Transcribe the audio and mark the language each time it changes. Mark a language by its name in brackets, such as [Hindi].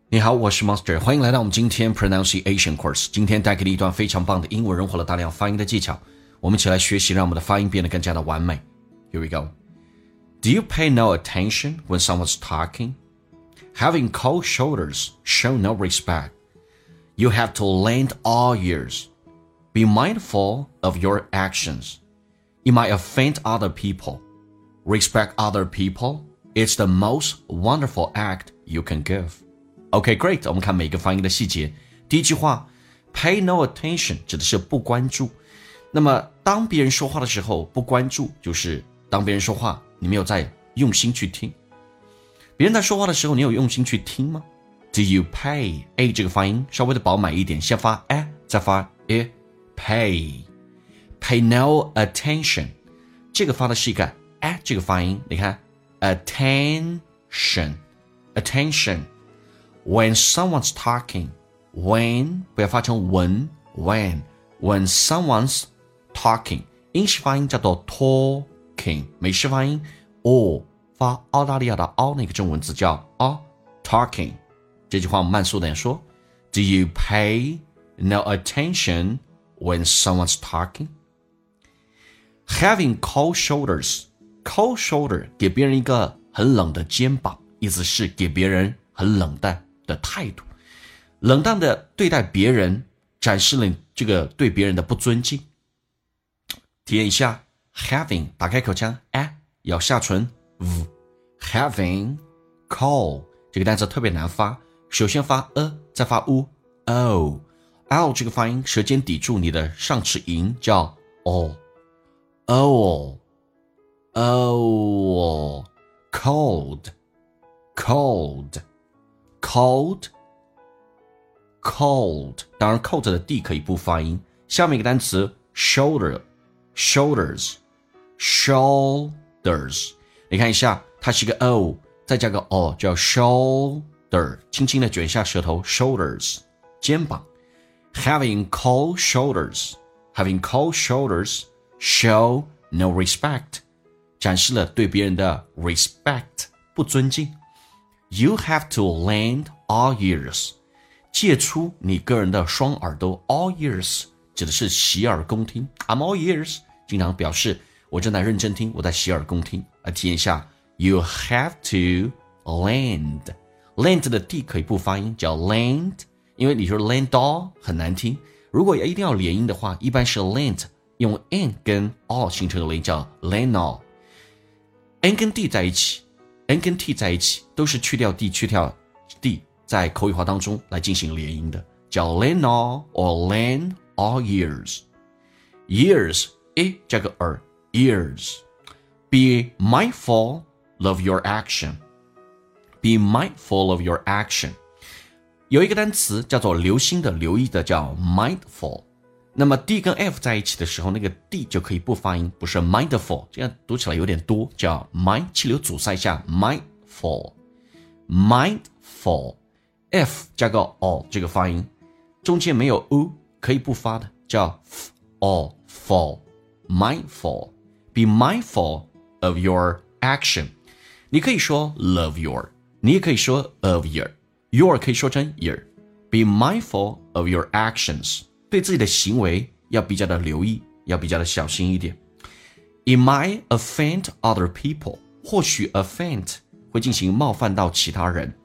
[Chinese] 你好，我是 Monster， 欢迎来到我们今天 Pronunciation Course。今天带给你一段非常棒的英文融合了大量发音的技巧，我们一起来学习让我们的发音变得更加的完美。 [English] Here we go. Do you pay no attention when someone's talking? Having cold shoulders show no respect. You have to lend all ears. Be mindful of your actions. You might offend other people. Respect other people. It's the most wonderful act you can giveOK, great, [Chinese] 我们看每个发音的细节。第一句话 pay no attention 指的是不关注。那么当别人说话的时候不关注，就是当别人说话你没有在用心去听。别人在说话的时候你有用心去听吗？ [English] Do you pay? [Chinese] A 这个发音稍微的饱满一点，先发 A 再发 A, pay. Pay no attention. 这个发的是一个 A 这个发音，你看 attention, attention. When someone's talking, when, 不要发成 when, when, when someone's talking, 英式发音叫做 talking, 美式发音 o, 发澳大利亚的 o 那个中文字叫 o, talking, 这句话我们慢速点说 [English] Do you pay no attention when someone's talking? [Chinese] Having cold shoulders, cold shoulder, 给别人一个很冷的肩膀，意思是给别人很冷淡的态度，冷淡的对待别人，展示了这个对别人的不尊敬。体验一下 having 打开口腔，哎，咬下唇 v, having cold 这个单词特别难发，首先发 a, 再发 u, o, o 这个发音舌尖抵住你的上齿龈叫 o, o, o, cold, cold. [English] Cold, cold. [Chinese] 当然 cold 的 D 可以不发音。下面一个单词 shoulder, shoulders, shoulders. 你看一下，它是一个 O, 再加个 O, 叫 shoulder. 轻轻的卷一下舌头 ，shoulders, 肩膀。 [English] Having cold shoulders, having cold shoulders, show no respect. [Chinese] 展示了对别人的 respect, 不尊敬。 [English] You have to lend all ears. [Chinese] 借出你个人的双耳朵。 All ears 指的是洗耳恭听。 [English] I'm all ears. [Chinese] 经常表示我正在认真听，我在洗耳恭听。来体验一下。 [English] You have to lend. [Chinese] Lend 的 D 可以不发音，叫 lend. 因为你说 lend all 很难听。如果一定要连音的话，一般是 lend, 用 N 跟 all 形成的连音叫 lend all. N 跟 D 在一起。 N 跟 T 在一起都是去掉 D, 去掉 D, 在口语化当中来进行连音的，叫 lend all or lend all ears. Ears, A 加个耳 ,ears. [English] Be mindful of your action. Be mindful of your action. [Chinese] 有一个单词叫做留心的，留意的，叫 mindful. 那么 D 跟 F 在一起的时候，那个 D 就可以不发音，不是 mindful, 这样读起来有点多，叫 mind, 气流阻塞一下 mindful, mindful, F 加个 o 这个发音，中间没有 u, 可以不发的，叫 f, o, ful, mindful, be mindful of your action. 你可以说 love your, 你也可以说 of your, your 可以说成 your, [English] be mindful of your actions. [Chinese] 对自己的行为要比较的留意，要比较的小心一点。 [English] It might offend other people. [Chinese] 或许 offend 会进行冒犯到其他人。